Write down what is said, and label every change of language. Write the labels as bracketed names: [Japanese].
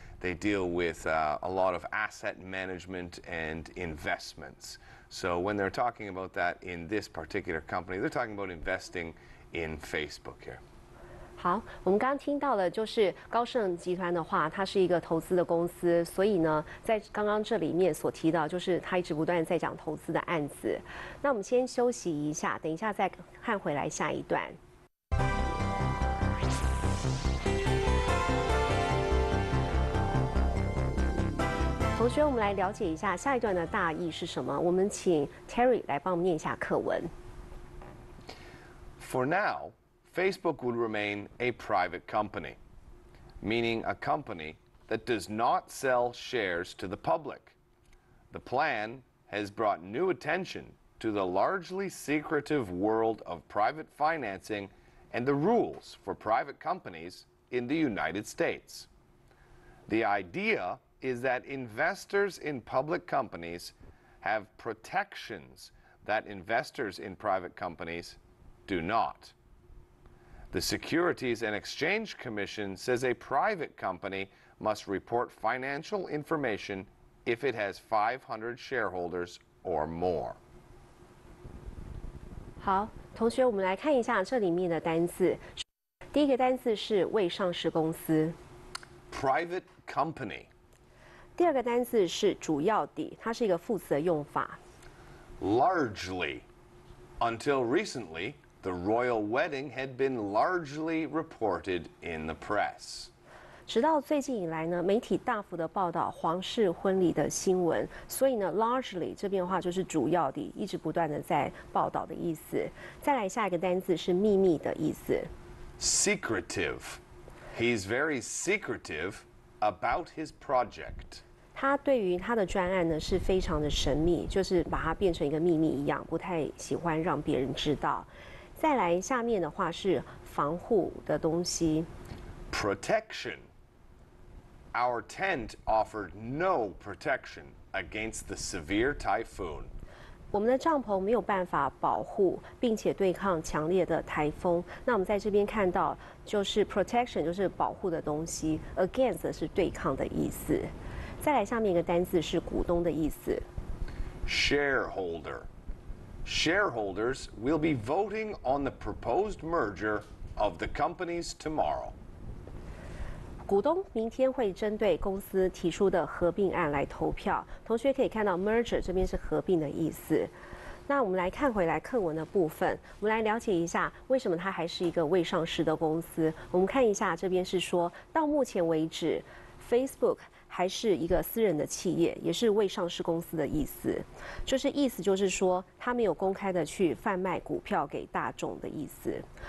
[English] They deal with a lot of asset management and investments. So when they're talking about that in this particular company, they're talking about investing in Facebook here. [Chinese] 好，我们刚刚听到了，就是高盛集团的话，它是一个投资的公司，所以呢，在刚刚这里面所提到，就是他一直不断在讲投资的案子。那我们先休息一下，等一下再看回来下一段。同学，我们来了解一下下一段的大意是什么。我们请 Terry 来帮我们念一下课文。 [English] For now, Facebook would remain a private company, meaning a company that does not sell shares to the public. The plan has brought new attention to the largely secretive world of private financing and the rules for private companies in the United States. The idea. Is that investors in public companies have protections that investors in private companies do not. The Securities and Exchange Commission says a private company must report financial information if it has 500 shareholders or more. [Chinese] 好，同学，我们来看一下这里面的单字。第一个单字是未上市公司 [English] ，private company。 [Chinese] 第二个单字是主要的，它是一个副词的用法 [English] ，largely。 Until recently, the royal wedding had been largely reported in the press. [Chinese] 直到最近以来呢，媒体大幅的报道皇室婚礼的新闻，所以呢 ，largely 这边的话就是主要的，一直不断的在报道的意思。再来下一个单字是秘密的意思。 [English] Secretive. He's very secretive about his project. [Chinese] 他对于他的专案呢是非常的神秘，就是把它变成一个秘密一样，不太喜欢让别人知道。再来下面的话是防护的东西。 [English] Protection. Our tent offered no protection against the severe typhoon. [Chinese] 我们的帐篷没有办法保护并且对抗强烈的台风。那我们在这边看到就是 protection 就是保护的东西， against 是对抗的意思。再来下面一个单字是股东的意思。 [English] Shareholder. Shareholders will be voting on the proposed merger of the companies tomorrow. [Chinese] 股东明天会针对公司提出的合并案来投票。同学可以看到 merger 这边是合并的意思。那我们来看回来课文的部分，我们来了解一下为什么它还是一个未上市的公司。我们看一下这边是说，到目前为止 Facebook 还是一个私人的企业，也是未上市公司的意思，就是意思就是说它没有公开的去贩卖股票给大众的意思。